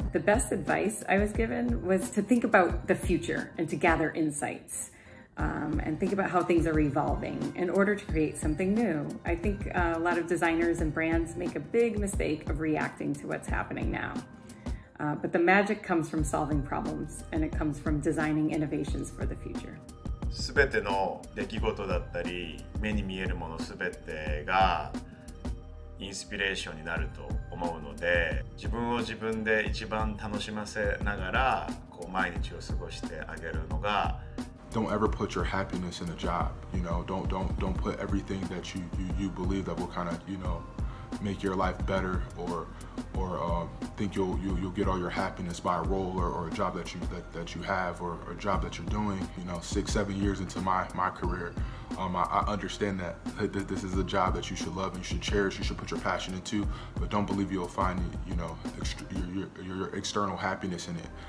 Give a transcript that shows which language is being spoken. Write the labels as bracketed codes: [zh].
[en] The best advice I was given was to think about the future and to gather insights and think about how things are evolving in order to create something new. I think a lot of designers and brands make a big mistake of reacting to what's happening now. But the magic comes from solving problems, and it comes from designing innovations for the future. [ja] 全ての出来事だったり、目に見えるもの全てがインスピレーションになると思うので、自分を自分で一番楽しませながら、こう毎日を過ごしてあげるのが。 [en] Don't ever put your happiness in a job. You know, don't put everything that you believe that will kind of, you know, make your life better or think you'll get all your happiness by a role or a job that you have or a job that you're doing. You know, 6-7 years into my career, I understand that this is a job that you should love and you should cherish, you should put your passion into, but don't believe you'll find, you know, your external happiness in it.